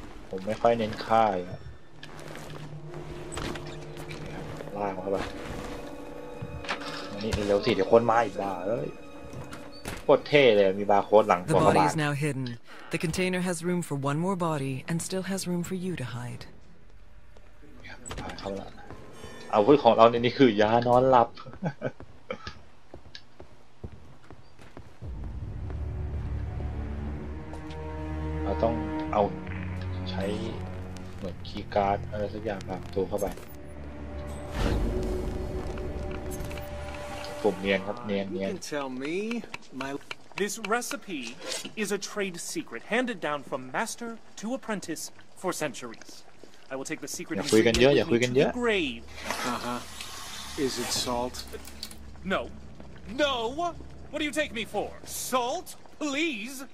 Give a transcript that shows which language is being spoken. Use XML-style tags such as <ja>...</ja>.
<th>ผมไม่ค่อยเน้นฆ่าล่างเข้าไปนี่เร็วสิเดี๋ยวคนมาอีกบาร์เอ้ยโคตรเท่เลยมีบาร์โค้ดหลังตัวบาร์</th> <en>The body is now hidden. The container has room for one more body and still has room for you to hide.</en> <th>ครับเข้าแล้วอาวุธของเราในนี้คือยานอนหลับเราต้องเอาใช้เหมือนคีย์การ์ดอะไรสักอย่างบางตัวเข้าไปปุ่มเนียนครับเนียนเนียน</th> <en>You can tell me my this recipe is a trade secret handed down from master to apprentice for centuriesI will take the secret ingredient to the grave. Is it salt? No. No! What do you take me for? Salt? Please!</en>